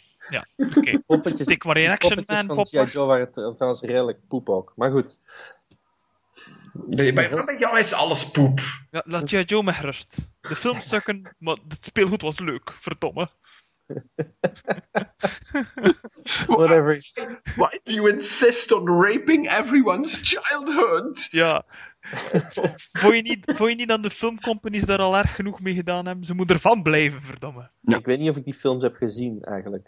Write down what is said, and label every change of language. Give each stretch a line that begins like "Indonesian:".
Dutch: Ja, oké. Okay. Stik maar in Action Man, poppetjes van G.I. Joe waren trouwens redelijk poep ook, maar goed. Nee, bij jou is alles poep. Ja, laat G.I. Joe me gerust. De films sukken, maar het speelgoed was leuk, verdomme.
English: Whatever. Why do you insist on raping everyone's childhood?
Dutch: Ja. Vond je niet dat de filmcompanies daar al erg genoeg mee gedaan hebben? Ze moeten ervan blijven, verdomme. Ja. Ik weet niet of ik die films heb gezien, eigenlijk.